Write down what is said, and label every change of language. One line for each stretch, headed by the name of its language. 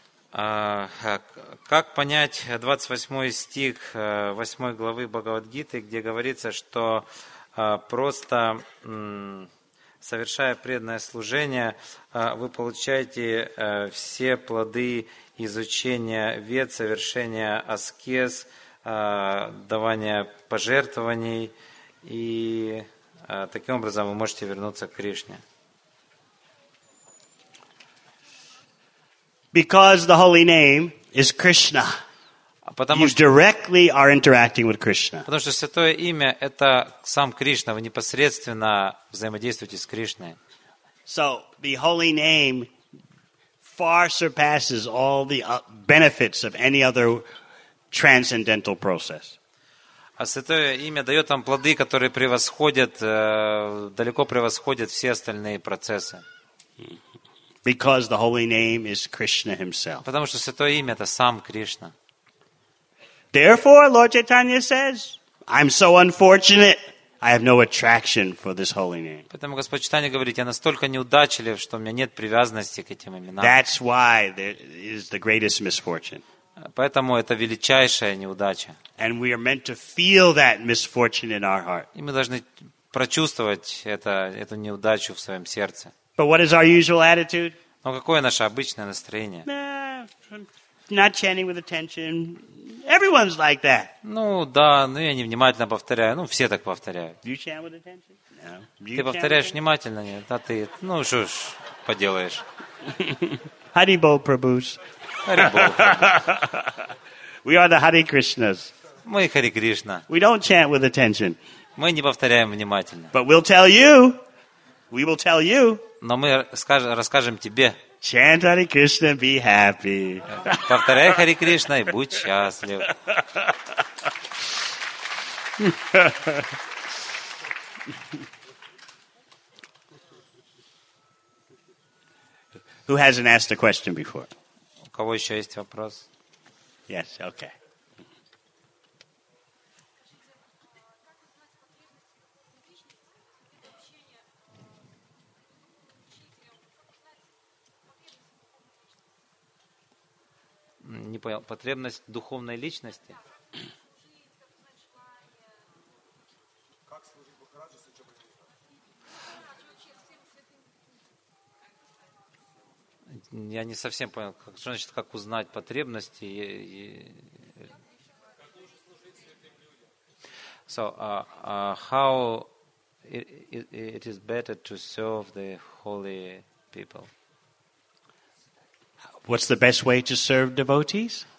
Russian: Как понять 28 стих 8 главы Бхагавад-гиты, где говорится, что просто совершая преданное служение, вы получаете все плоды изучения вед, совершения аскез, давания пожертвований, и таким образом вы можете вернуться к Кришне.
English: Because the holy name is Krishna, you directly are interacting with Krishna.
Russian: Потому что святое имя – это сам Кришна. Вы непосредственно взаимодействуете с Кришной.
English: So the holy name far surpasses all the benefits of any other transcendental process.
Russian: А святое имя дает вам плоды, которые превосходят, далеко превосходят все остальные процессы.
English: Because the holy name is Krishna himself.
Russian: Потому что святое имя это сам Кришна.
English: Therefore, Lord Chaitanya says, I'm so unfortunate, I have no attraction for this holy name.
Russian: Поэтому Господь Чайтанья говорит, я настолько неудачлив, что у меня нет привязанности к этим именам.
English: That's why there is the greatest misfortune.
Russian: Поэтому это величайшая неудача.
English: And we are meant to feel that misfortune in our heart.
Russian: И мы должны прочувствовать эту неудачу в своем сердце.
English: But what is our usual attitude?
Russian: Но какое наше обычное настроение?
English: Not chanting with attention. Everyone's like that.
Russian: Ну да, но я невнимательно повторяю. Ну все так повторяют.
English: Do you chant with attention? No.
Russian: Ты повторяешь внимательно, нет? А ты, ну что ж, поделаешь.
English: Hari Bol Prabhus. Hari Bol. We are the Hare Krishnas.
Russian: Мы Хари Кришна.
English: We don't chant with attention.
Russian: Мы не повторяем внимательно.
English: But we'll tell you. We will tell you.
Russian: Но мы расскажем тебе.
English: Chant Hare Krishna, be happy.
Russian: Повторяй Хари Кришна и будь счастлив.
English: Who hasn't asked a question before?
Russian: У кого еще есть вопрос?
English: Yes, okay.
Russian: Не понял, потребность духовной личности? Как служить Бхакараджу, с чем это? Я не совсем понял, как, что значит, как узнать потребности.
English: So, how it is better to serve the holy people? What's the best way to serve devotees?